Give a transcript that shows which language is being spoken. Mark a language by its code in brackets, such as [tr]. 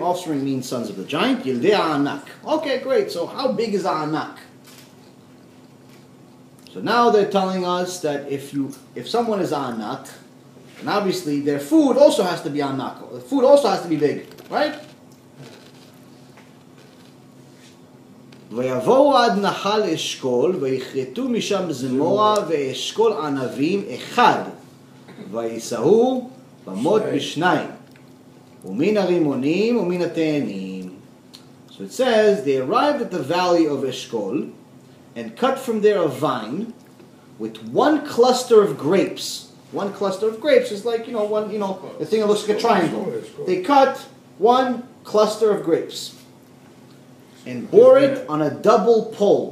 [en] Offspring means sons of the giant. Yildei Anak. Okay, great. So how big is Anak? So now they're telling us that if someone is Anak, and obviously their food also has to be Anak. The food also has to be big, right? [he] ויבואו עד נחל אשכול ויחרטו משם זמורה ואשכול ענבים אחד ויסהו במות בשניים ומן הרימונים ומן התאנים. [en] So it says they arrived at the valley of Eshkol and cut from there a vine with one cluster of grapes. One cluster of grapes is like, you know, one, you know, the thing that looks like a triangle. They cut one cluster of grapes and bore it on a double pole.